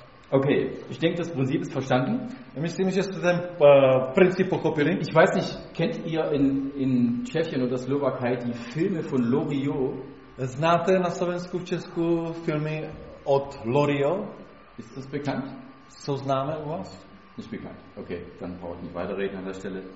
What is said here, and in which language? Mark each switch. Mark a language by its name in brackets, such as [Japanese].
[German] Okay, ich denke, das Prinzip ist verstanden. [Czech] Myslím, že jste ten princip pochopili. [German] Ich weiß nicht, kennt ihr in Tschechien oder Slowakei die Filme von Loriot? [Czech] Znáte na Slovensku, v Česku filmy od Loriot? [German] Ist das bekannt? [Czech] So známe u vás? [German] Nicht bekannt. Okay, dann brauche ich nicht weiterreden an der Stelle.